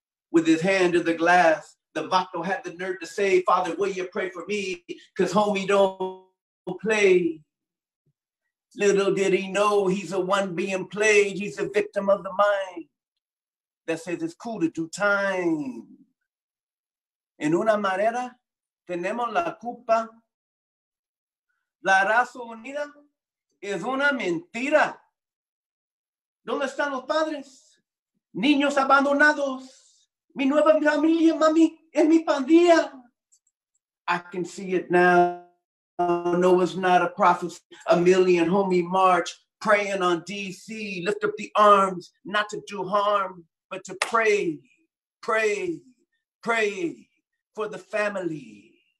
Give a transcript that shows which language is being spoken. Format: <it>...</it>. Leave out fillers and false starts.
<en>With his hand in the glass, the vato had the nerve to say, Father, will you pray for me? Because homie don't play. Little did he know, he's the one being played. He's a victim of the mind that says it's cool to do time.</en> <es>En una manera, tenemos la culpa. La raza unida es una mentira. ¿Dónde están los padres? Niños abandonados. Mi nueva familia, mami, es mi pandilla.</es> <en>I can see it now. Noah's not a prophecy. A million homie march, praying on DC. Lift up the arms, not to do harm, but to pray, pray, pray for the family.</en>